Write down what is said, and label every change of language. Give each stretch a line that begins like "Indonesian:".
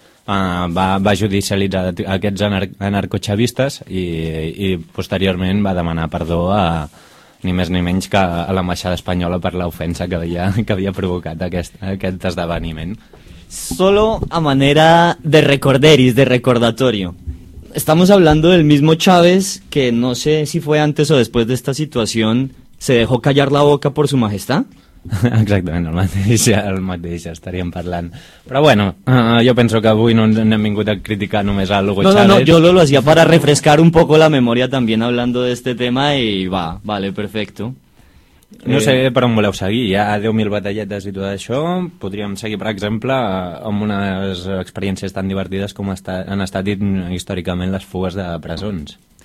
Catalan: Va judicialitzar aquests anarcoxavistes i posteriorment va demanar perdó a ni més ni menys que a l'ambaixada espanyola per l'ofensa que havia provocat aquest esdeveniment.
Spanish: Solo a manera de recorderis, de recordatorio. Estamos hablando del mismo Chávez que no sé si fue antes o después de esta situación se dejó callar la boca por su majestad.
Catalan: Exactament, el mateix estaríem parlant. Però bueno, jo penso que avui no hem vingut a criticar només a Hugo Chávez.
Spanish: No, yo lo hacía para refrescar un poco la memoria también hablando de este tema y va, vale, perfecto.
Catalan: No sé per on voleu seguir, hi ha 10.000 batalletes i tot això. Podríem seguir, per exemple, amb unes experiències tan divertides com han estat històricament les fugues de presons.